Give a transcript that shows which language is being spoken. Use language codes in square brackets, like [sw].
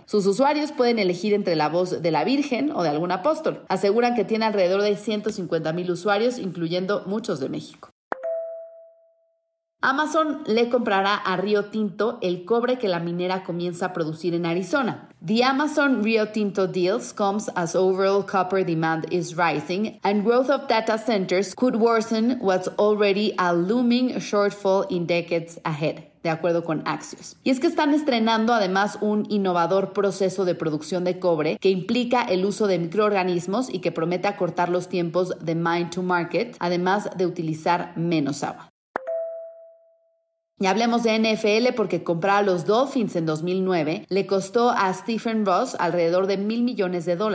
[es] Sus usuarios pueden elegir entre la voz de la Virgen o de algún apóstol. Aseguran que tiene alrededor de 150,000 usuarios, incluyendo muchos de México. Amazon le comprará a Río Tinto el cobre que la minera comienza a producir en Arizona. [en] The Amazon Rio Tinto deals comes as overall copper demand is rising and growth of data centers could worsen what's already a looming shortfall in decades ahead, [es] de acuerdo con Axios. Y es que están estrenando además un innovador proceso de producción de cobre que implica el uso de microorganismos y que promete acortar los tiempos de [en] mine to market, [es] además de utilizar menos agua. Y hablemos de NFL porque comprar a los Dolphins en 2009 le costó a Stephen Ross alrededor de $1,000 millones.